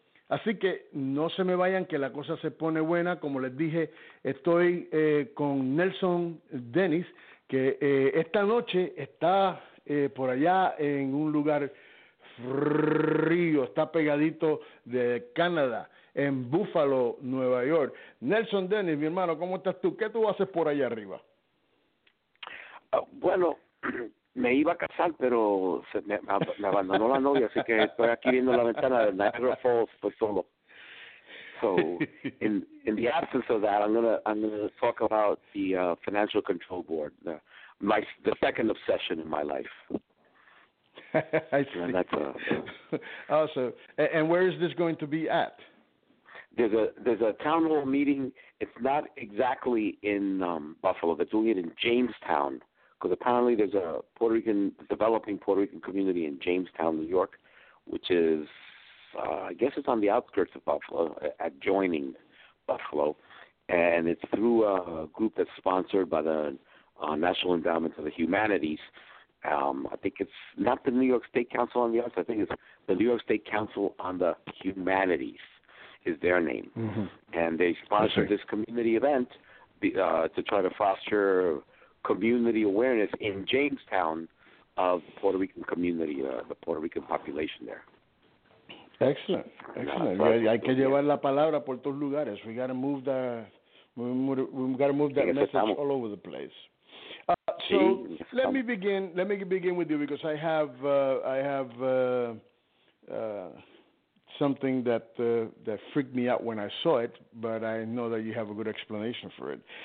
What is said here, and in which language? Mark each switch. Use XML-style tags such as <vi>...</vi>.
<es>Así que no se me vayan, que la cosa se pone buena. Como les dije, estoy con Nelson Denis, que esta noche está por allá en un lugar frío, está pegadito de Canadá, en Buffalo, Nueva York. Nelson Denis, mi hermano, ¿cómo estás tú? ¿Qué tú haces por allá arriba? Bueno, me iba a casar, pero me abandonó la novia, así que estoy aquí viendo la ventana de Niagara Falls, estoy solo.</es> <en>So, in the absence of that, I'm gonna talk about the Financial Control Board, the second obsession in my life. I see. Awesome. And where is this going to be at? There's a town hall meeting. It's not exactly in Buffalo. They're doing it in Jamestown, because apparently there's a developing Puerto Rican community in Jamestown, New York, which is, I guess it's on the outskirts of Buffalo, adjoining Buffalo. And it's through a group that's sponsored by the National Endowment for the Humanities. I think it's not the New York State Council on the Arts. I think it's the New York State Council on the Humanities is their name. Mm-hmm. And they sponsored this community event to try to foster community awareness in Jamestown of Puerto Rican community, the Puerto Rican population there. Excellent.</en> <es>Hay que llevar la palabra por todos lugares.</es> <en>We got to move that message all over the place. So let me begin. Let me begin with you because I have something that that freaked me out when I saw it, but I know that you have a good explanation for it.</en>